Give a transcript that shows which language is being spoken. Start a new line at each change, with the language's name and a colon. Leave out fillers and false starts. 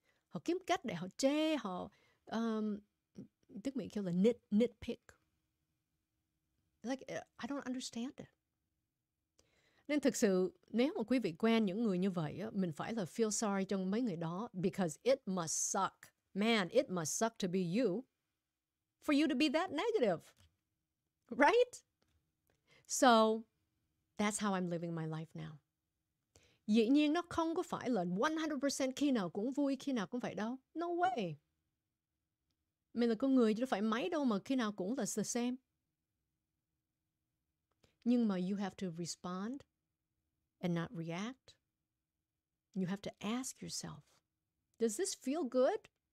Vietnamese: Họ kiếm cách để họ chê, họ tức mình kêu là nitpick.
English: Like, I don't understand it.
Vietnamese: Nên thực sự, nếu mà quý vị quen những người như vậy á, mình phải là feel sorry cho mấy người đó,
English: because it must suck. Man, it must suck to be you, for you to be that negative. Right? So, that's how I'm living my life now.
Vietnamese: Dĩ nhiên nó không có phải là 100% khi nào cũng vui, khi nào cũng phải đâu.
English: No way.
Vietnamese: Mình là con người chứ phải máy đâu mà khi nào cũng là the same. Nhưng mà
English: you have to respond and not react. You have to ask yourself, does this feel good?